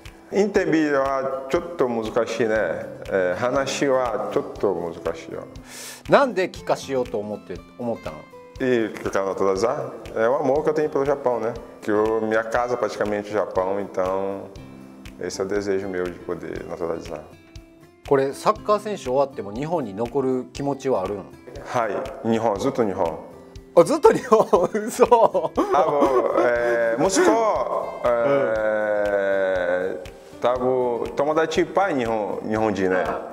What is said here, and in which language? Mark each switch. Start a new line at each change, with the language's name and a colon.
Japanese: インタビューはちょっと難しいね、話はちょっと難しいよ。なんで帰化しようと思ったの？いい帰化のただざ。
Portuguese: É o amor que eu tenho pelo Japão, né? Que eu, minha casa praticamente Japão, então esse é o desejo meu de poder naturalizar.
Japanese: これサッカー選手終わっても日本に残る気持ちはあるん？はい、日本、ずっと日本。あ、ずっと日本、嘘。あの、息子、多分友達いっぱい日本人ね。